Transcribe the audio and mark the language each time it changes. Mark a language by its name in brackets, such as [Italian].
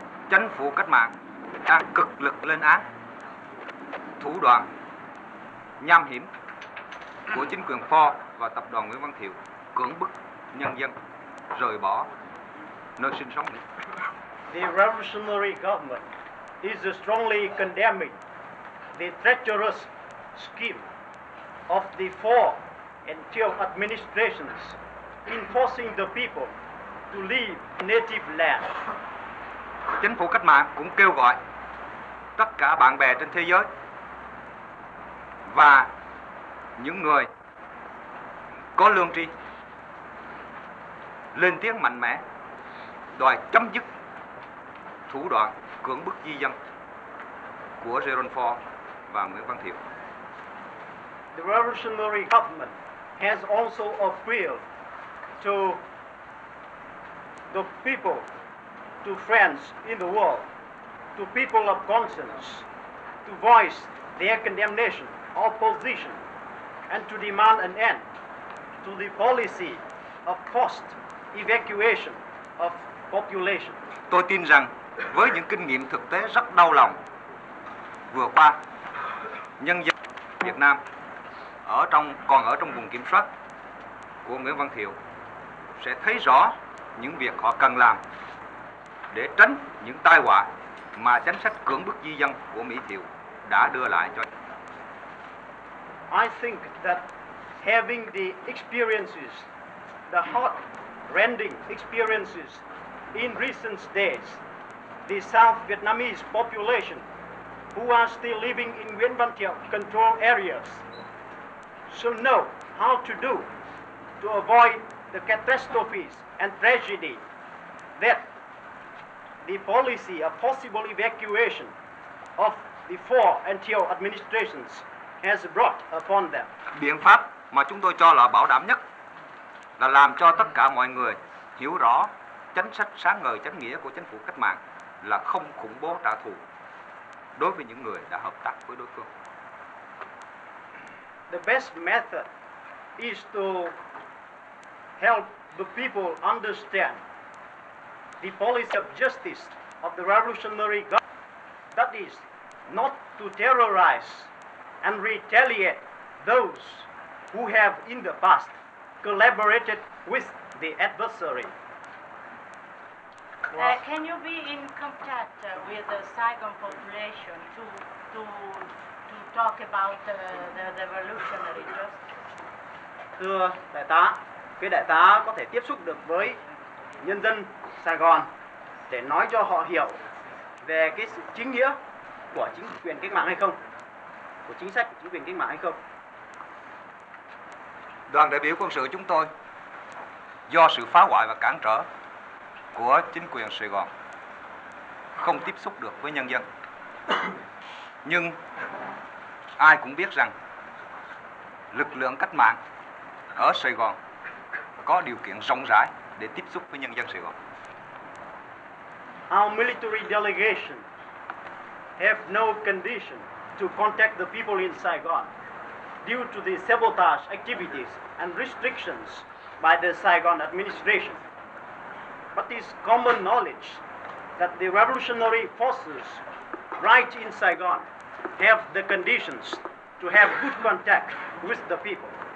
[Vietnamese] Chính phủ cách mạng đang cực lực lên án thủ đoạn nham hiểm của chính quyền Ford và tập đoàn Nguyễn Văn Thiệu cưỡng bức nhân dân rời bỏ nơi sinh sống. [English] The revolutionary government is strongly condemning the treacherous scheme of the Ford and Thiệu administrations in forcing the people to leave native land. [Vietnamese] Chính phủ cách mạng cũng kêu gọi tất cả bạn bè trên thế giới và những người có lương tri lên tiếng mạnh mẽ đòi chấm dứt thủ đoạn cưỡng bức di dân của Jerome Ford và Nguyễn Văn Thiệu. [English] the revolutionary government has also appealed to the people, to friends in the world, to people of conscience, to voice their condemnation, opposition, and to demand an end to the policy of forced evacuation of population. [Vietnamese] Tôi tin rằng với những kinh nghiệm thực tế rất đau lòng vừa qua, nhân dân Việt Nam còn ở trong vùng kiểm soát của Nguyễn Văn Thiệu sẽ thấy rõ những việc họ cần làm để tránh những tai họa mà chính sách cưỡng bức di dân của Mỹ Thiệu đã đưa lại cho. [English] I think that having the experiences, the heart-rending experiences in recent days, the South Vietnamese population who are still living in Nguyễn Văn Thiệu control areas should know how to do to avoid the catastrophes and tragedy that the policy of possible evacuation of the four Antio administrations has brought upon them. [Vietnamese] Biện pháp mà chúng tôi cho là bảo đảm nhất là làm cho tất cả mọi người hiểu rõ chính sách sáng ngời chánh nghĩa của chính phủ cách mạng là không khủng bố trả thù đối với những người đã hợp tác với đối phương. [English] The best method is to help the people understand the policy of justice of the revolutionary government, that is, not to terrorize and retaliate those who have in the past collaborated with the adversary. Can you be in contact with the Saigon population to talk about the revolutionary justice? [Vietnamese] Thưa đại tá, quý đại tá có thể tiếp xúc được với nhân dân Sài Gòn để nói cho họ hiểu về cái sự chính nghĩa của chính quyền cách mạng hay không, của chính sách của chính quyền cách mạng hay không? Đoàn đại biểu quân sự chúng tôi do sự phá hoại và cản trở của chính quyền Sài Gòn không tiếp xúc được với nhân dân. Nhưng ai cũng biết rằng lực lượng cách mạng ở Sài Gòn có điều kiện rộng rãi để tiếp xúc với nhân dân Sài Gòn. [English] Our military delegation have no condition to contact the people in Saigon due to the sabotage activities and restrictions by the Saigon administration. But it's common knowledge that the revolutionary forces right in Saigon have the conditions to have good contact with the people.